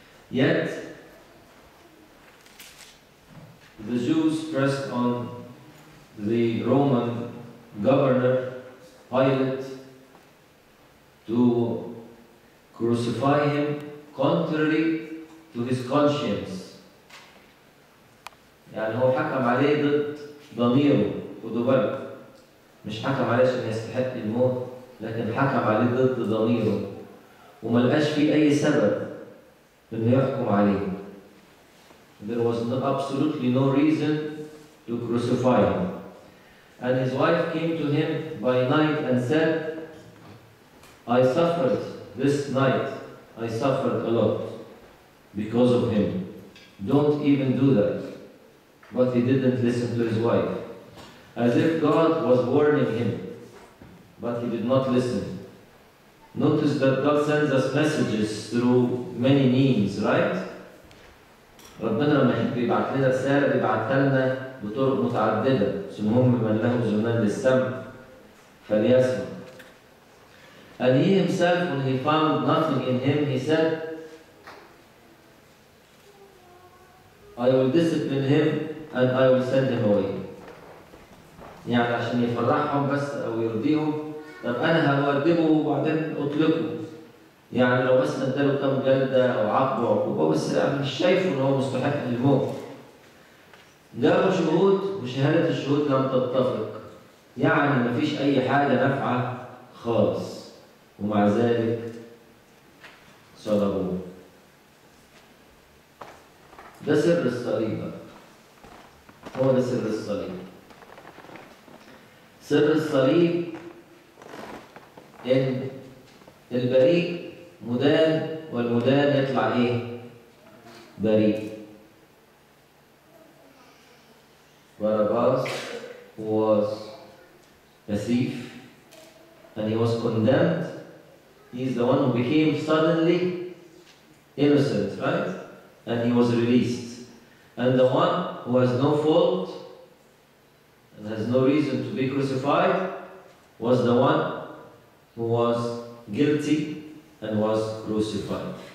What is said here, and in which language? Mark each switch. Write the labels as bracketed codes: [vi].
[en] Yet the Jews pressed on the Roman governor Pilate to crucify him contrary to his conscience. [ar] يعني هو حكم عليه ضد ضميره. خد بالك مش حكم عليه عشان يستحق الموت، لكن حكم عليه ضد ضميره وما لقاش في اي سبب انه يحكم عليه. [en] There was absolutely no reason to crucify him. And his wife came to him by night and said, I suffered this night, I suffered a lot because of him. Don't even do that. But he didn't listen to his wife, as if God was warning him, but he did not listen. Notice that God sends us messages through many means, right? [ar] ربنا لما يحب يبعت لنا رسالة بيبعت لنا بطرق متعددة. سمهم من له زمان للسمع فليسمع. And he himself, when he found nothing in him, he said, I will discipline him and I will send him away. يعني عشان يفرحهم بس أو يرضيهم، طب أنا هأودبه وبعدين أطلقه. يعني لو بس أداله كم جلدة أو عقبة أو عقوبة، بس أنا مش شايفه إن هو مستحق للموت. جابوا شهود وشهادة الشهود لم تتفق. يعني مفيش أي حاجة نافعة خالص. ومع ذلك صلبوه. ده سر الصليب. هو ده سر الصليب. سر الصليب ان البريء مدان والمدان يطلع ايه؟ بريء. [en] Barabbas was a thief and he was condemned. He's the one who became suddenly innocent, right? And he was released. And the one who has no fault and has no reason to be crucified was the one who was guilty and was crucified.